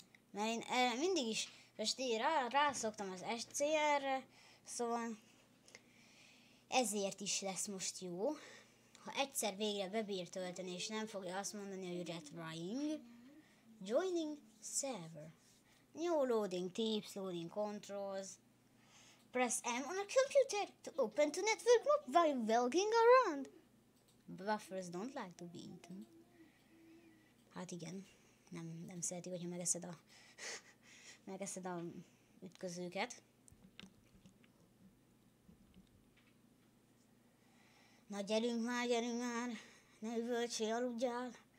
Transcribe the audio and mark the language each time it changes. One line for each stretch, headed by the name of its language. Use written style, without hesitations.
Hungarian: Mert én mindig is, most így rászoktam az SCR-re, szóval ezért is lesz most jó. Ha egyszer végre bebír tölteni, és nem fogja azt mondani, hogy
English: retrying, joining server. New loading tips, loading controls. Press M on a computer to open to network mode while walking around. Buffers don't like to be eaten.
Hungarian: Hát igen, nem szeretik, hogyha megeszed a megeszed a ütközőket. Na gyerünk már, ne üvöltsél, aludjál.